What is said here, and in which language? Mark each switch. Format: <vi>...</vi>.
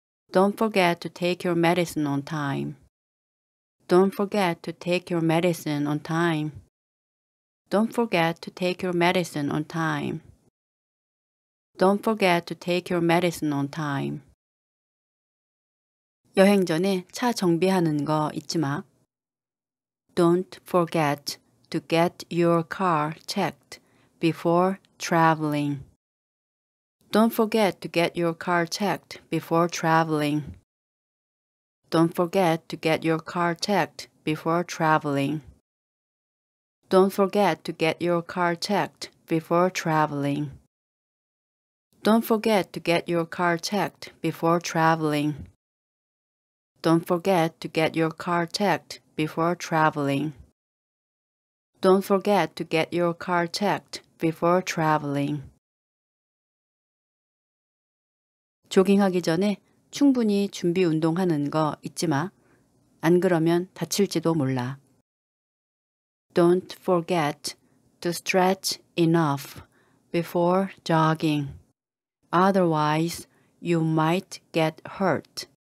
<en>Don't forget to take your medicine on time. Don't forget to take your medicine on time. Don't forget to take your medicine on time. Don't forget to take your medicine on time.</en> <ko>여행 전에 차 정비하는 거 잊지 마.</ko> <en>Don't forget to get your car checked before traveling. Don't forget to get your car checked before traveling. Don't forget to get your car checked before traveling. Don't forget to get your car checked before traveling. Don't forget to get your car checked before traveling. Don't forget to get your car checked before traveling. Don't forget to get your car checked before traveling.</en> <ko>조깅하기 전에 충분히 준비 운동하는 거 잊지 마. 안 그러면 다칠지도 몰라.</ko> <en>Don't forget to stretch enough before jogging. Otherwise, you might get hurt.</en>